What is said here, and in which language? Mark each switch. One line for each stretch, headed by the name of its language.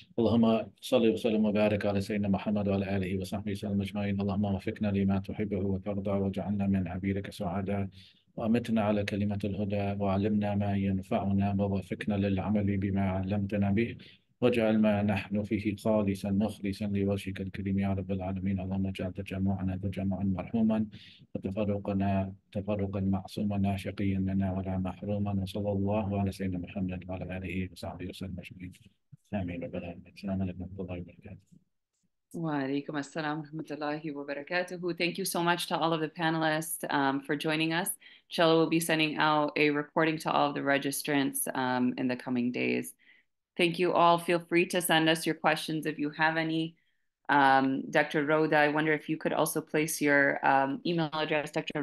Arabic: Allahumma salli wa sallim wa barik ala sayyidina Muhammad wa ala alihi wa sahbihi sallam ajma'in. Allahumma waffiqna lima tuhibbu wa tardha wa ja'alna min 'abidika su'ada wa amitna ala kalimatil huda wa 'allimna ma yanfa'una wa waffiqna lil 'amali bima 'allamtana bi واجعل ما نحن فيه خالصا مخلصا لوجهك الكريم يا رب العالمين. اللهم اجعل تجمعنا تجمعا مرحوما وتفرقنا تفرقا معصوما لا شقيا لنا ولا محروما. وصلى الله على سيدنا محمد وعلى اله وصحبه وسلم اجمعين. امين. السلام عليكم ورحمه الله وبركاته. وعليكم السلام ورحمة الله وبركاته.
English: Thank you so much to all of the panelists for joining us. Inshallah, we'll be sending out a recording to all of the registrants in the coming days. Thank you all. Feel free to send us your questions if you have any. Dr. Rhoda, I wonder if you could also place your email address. Dr.